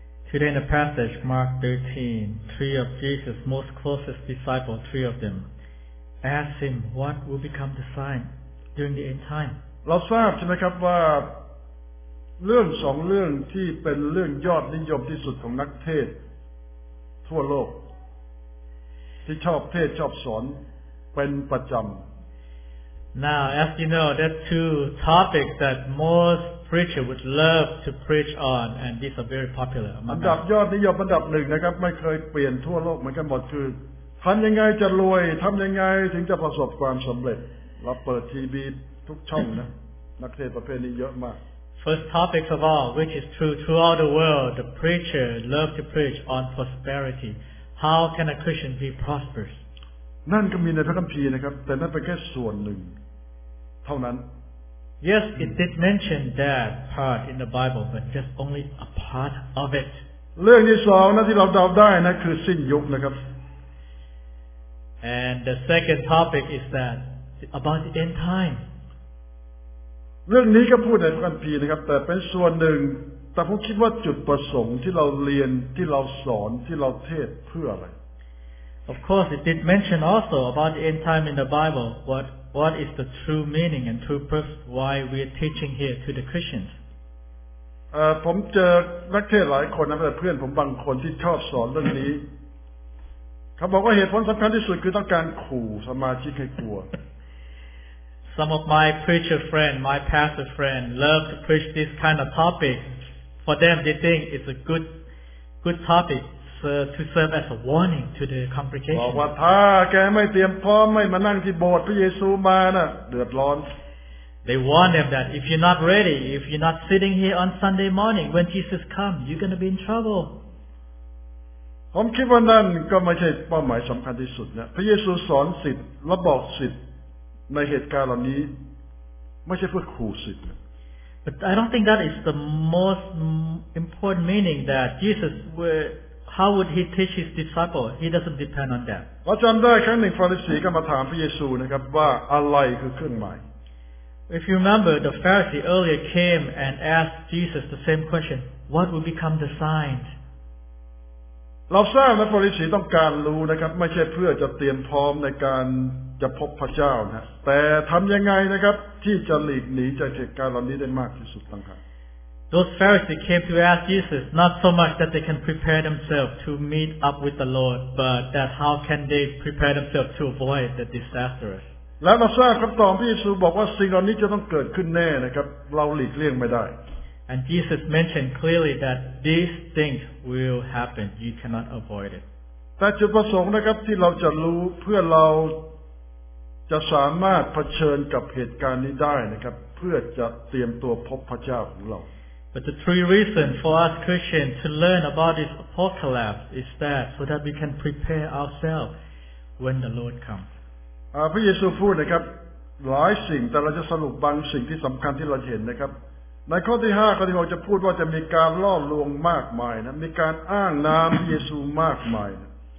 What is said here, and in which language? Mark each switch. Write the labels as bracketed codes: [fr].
[en] Today in the passage Mark 13 three of Jesus' most closest disciples three of them ask him what will become the sign during the end time [th] เราทราบใช่ไหมครับว่าเรื่องสองเรื่องที่เป็นเรื่องยอดนิยมที่สุดของนักเทศทั่วโลกที่ชอบเทศชอบสอนเป็นประจำ [en] Now as you know that two topics that mostPreacher would love to preach on, and these are very popular. [th] อันดับยอดนิยมอันดับหนึ่งนะครับไม่เคยเปลี่ยนทั่วโลกเหมือนกันหมดคือทำยังไงจะรวยทำยังไงถึงจะประสบความสำเร็จเราเปิดทีวีทุกช่องนะนักเทศน์ประเภทนี้เยอะมาก [en] First topic of all, which is true throughout the world, the preacher love to preach on prosperity. How can a Christian be prosperous? [th] นั่นก็มีในพระคัมภีร์นะครับแต่นั่นเป็นแค่ส่วนหนึ่งเท่านั้น [en] Yes, it did mention that part in the Bible, but just only a part of it. [th] เรื่องที่สองนะที่เราเดาได้นะคือสิ้นยุคนะครับ [en] And the second topic is that about the end time. [th] เรื่องนี้ก็พูดในพระคัมภีร์นะครับแต่เป็นส่วนหนึ่งแต่ผมคิดว่าจุดประสงค์ที่เราเรียนที่เราสอนที่เราเทศเพื่ออะไร [en] Of course, it did mention also about the end time in the Bible, butWhat is the true meaning and true purpose why we are teaching here to the Christians? [th] ผมเจอนักเทศน์หลายคนนะแต่เพื่อนผมบางคนที่ชอบสอนเรื่องนี้เขาบอกว่าเหตุผลสำคัญที่สุดคือต้องการขู่สมาชิกให้กลัว [en] Some of my preacher friend, my pastor friend, love to preach this kind of topic. For them, they think it's a good topic. To serve as a warning to the congregation. [th] บอกว่าถ้าแกไม่เตรียมพร้อมไม่มานั่งที่โบสถ์พระเยซูมานะเดือดร้อน [en] They warn them that if you're not ready, if you're not sitting here on Sunday morning when Jesus comes, you're going to be in trouble. [th] ผมคิดว่านั่นก็ไม่ใช่เป้าหมายสำคัญที่สุดนะพระเยซูสอนสิทธิ์และบอกสิทธิ์ในเหตุการณ์เหล่านี้ไม่ใช่เพื่อขู่สิทธิ์ [en] But I don't think that is the most important meaning that Jesus wereHow would he teach his disciple? He doesn't depend on that. [th] เราจำได้ครั้งหนึ่งฟาริสีก็มาถามพระเยซูนะครับว่าอะไรคือเครื่องหมาย [en] If you remember, the Pharisee earlier came and asked Jesus the same question. What would become the sign? [th] เราทราบว่าฟาริสีต้องการรู้นะครับไม่ใช่เพื่อจะเตรียมพร้อมในการจะพบพระเจ้านะแต่ทำยังไงนะครับที่จะหลีกหนีจากเหตุการณ์เหล่านี้ได้มากที่สุดต่างหาก [en] Those Pharisees came to ask Jesus not so much that they can prepare themselves to meet up with the Lord, but that how can they prepare themselves to avoid the disaster. [th] แล้วเราทราบคำตอบที่เยซูบอกว่าสิ่งเหล่านี้จะต้องเกิดขึ้นแน่นะครับเราหลีกเลี่ยงไม่ได้ [en] And Jesus mentioned clearly that these things will happen. You cannot avoid it. [th] แต่จุดประสงค์นะครับที่เราจะรู้เพื่อเราจะสามารถเผชิญกับเหตุการณ์นี้ได้นะครับเพื่อจะเตรียมตัวพบพระเจ้าของเรา [en] But the three reasons for us Christians to learn about this apocalypse is that so that we can prepare ourselves when the Lord comes. [th] พระเยซูพูดนะครับหลายสิ่งแต่เราจะสรุปบางสิ่งที่สำคัญที่เราเห็นนะครับ ในข้อที่5ข้อที่6จะพูดว่าจะมีการล่อลวงมากมายนะมีการอ้างนามพระเยซูมากมายนะ